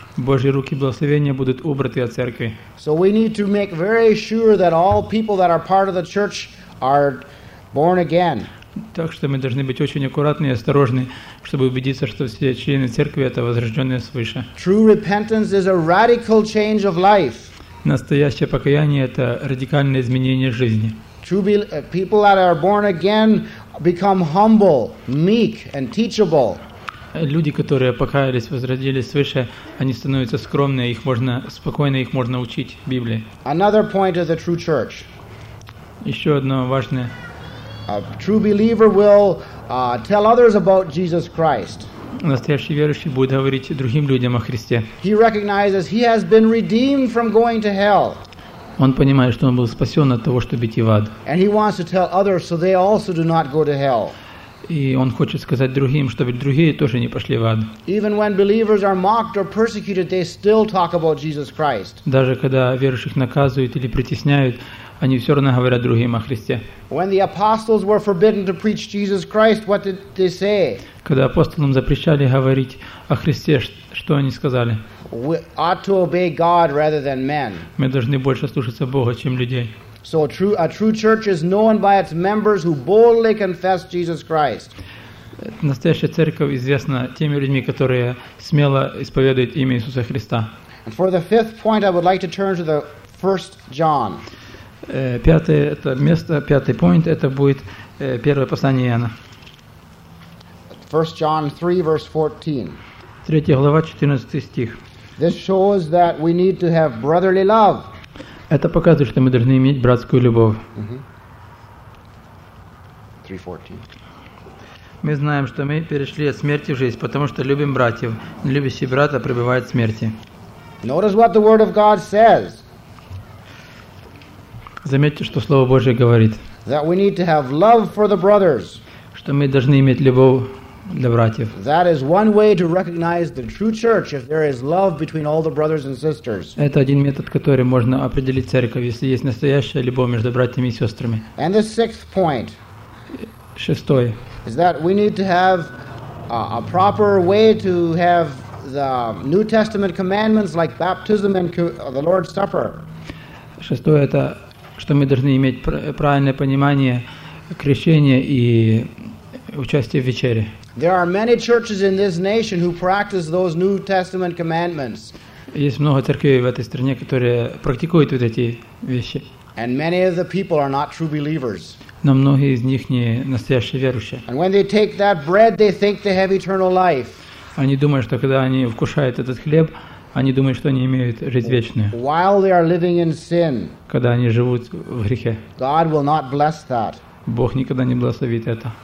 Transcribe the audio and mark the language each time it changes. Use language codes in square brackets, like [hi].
[ru] Божьи руки благословения будут убраны от церкви. [en] So we need to make very sure that all people that are part of the church are born again. [ru] Так что мы должны быть очень аккуратны и осторожны, чтобы убедиться, что все члены церкви это возрожденные свыше. [en] True repentance is a radical change of life. [ru] Настоящее покаяние это радикальное изменение жизни. [en] People that are born again become humble, meek, and teachable. [ru] Люди, которые покаялись, возродились свыше, они становятся скромные, их можно спокойно учить Библии. [en] Another point of the true church. [ru] Еще одно важное. [en] A true believer will tell others about Jesus Christ. [ru] Настоящий верующий будет говорить другим людям о Христе. [en] He recognizes he has been redeemed from going to hell. [ru] Он понимает, что он был спасен от того, чтобы идти в ад. [en] And he wants to tell others so they also do not go to hell. [ru] И он хочет сказать другим, чтобы другие тоже не пошли в ад. [en] Even when believers are mocked or persecuted, they still talk about Jesus Christ. [ru] Даже когда верующих наказывают или притесняют, они все равно говорят другим о Христе. [en] When the apostles were forbidden to preach Jesus Christ, what did they say? [ru] Когда апостолам запрещали говорить о Христе, что они сказали? [en] We ought to obey God rather than men. [ru] Мы должны больше слушаться Бога, чем людей. [en] So a true church is known by its members who boldly confess Jesus Christ. [ru] Настоящая церковь известна теми людьми, которые смело исповедуют имя Иисуса Христа. [en] And for the fifth point, I would like to turn to the first John. [ru] Пятый [en] point, [ru] это будет первое послание Иоанна. [en] First John 3, verse 14. [ru] Третья глава, 14 стих. [en] This shows that we need to have brotherly love. [ru] Это показывает, что мы должны иметь братскую любовь. Mm-hmm. 3:14. Мы знаем, что мы перешли от смерти в жизнь, потому что любим братьев. Любящий брата пребывает в смерти. [en] Notice what the word of God says. [ru] Заметьте, что Слово Божие говорит. [en] That we need to have love for the brothers. [ru] Что мы должны иметь любовь. [en] That is one way to recognize the true church if there is love between all the brothers and sisters. [ru] Это один метод, который можно определить церковь, если есть настоящая любовь между братьями и сестрами. [en] And the sixth point. [ru] Шестой. [en] Is that we need to have a proper way to have the New Testament commandments like baptism and the Lord's Supper. [ru] Шестое это что мы должны иметь правильное понимание крещения и участия в вечере. [en] There are many churches in this nation who practice those New Testament commandments. [ru] Есть много церквей в этой стране, которые практикуют вот эти вещи. [en] And many of the people are not true believers. [ru] Но многие из них не настоящие верующие. [en] And when they take that bread, they think they have eternal life. [ru] Они думают, что когда они вкушают этот хлеб, они думают, что они имеют жизнь вечную. [en] While they are living in sin. [ru] Когда они живут в грехе. [en] God will not bless that. [ru] Бог никогда не благословит это.